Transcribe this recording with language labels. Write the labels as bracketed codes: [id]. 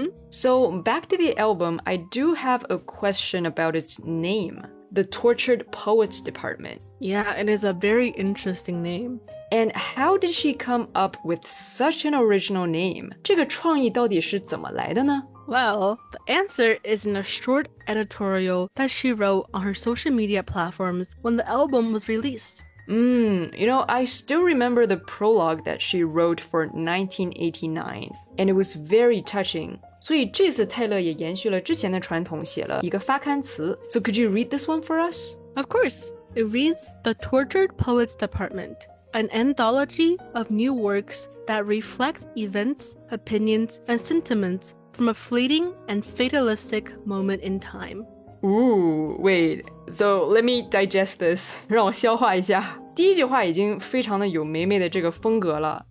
[en] So back to the album, I do have a question about its name. The Tortured Poets Department. Yeah, it is a very interesting name. And how did she come up with such an original name? [zh] 这个创意到底是怎么来的呢？ [en] Well, the answer is in a short editorial that she wrote on her social media platforms when the album was released. You know, I still remember the prologue that she wrote for 1989, and it was very touching. [zh] 所以这次泰勒也延续了之前的传统写了一个发刊词。 [en] So could you read this one for us? Of course. It reads, The Tortured Poets Department, an anthology of new works that reflect events, opinions, and sentiments,from a fleeting and fatalistic moment in time. Ooh, wait. So let me digest this. [zh] 让我消化一下。第一句话已经非常的有梅梅的这个风格了。